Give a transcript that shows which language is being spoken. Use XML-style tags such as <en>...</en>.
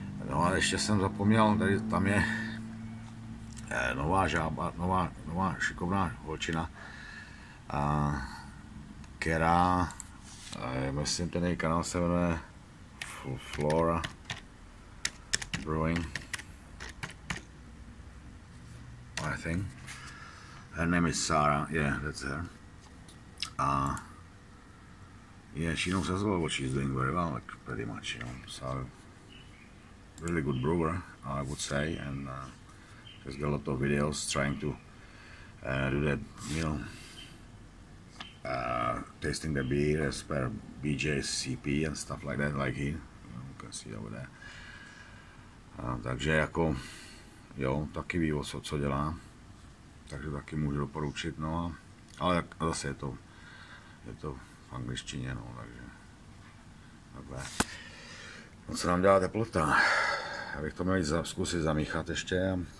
<cs>No a ještě jsem zapomněl, tady tam je nová žába, nová šikovná holčina. Která, myslím, ten její kanál se jmenuje Flora Brewing,</cs> <en>I think. Her name is Sarah, yeah, that's her. A yeah, she knows as well what she's doing very well, like pretty much, you know. So, really good brewer, I would say, and she's got a lot of videos trying to do that, you know. Tasting the beer as per BJCP and stuff like that, like here, you can see over there.</en> <cs>Takže jako, jo, taky ví, co dělá, takže taky můžu doporučit, no a, ale zase je to v angličtině, no, takže, takhle. No, co nám dělá teplota? Já bych to měl zkusit zamíchat ještě.</cs>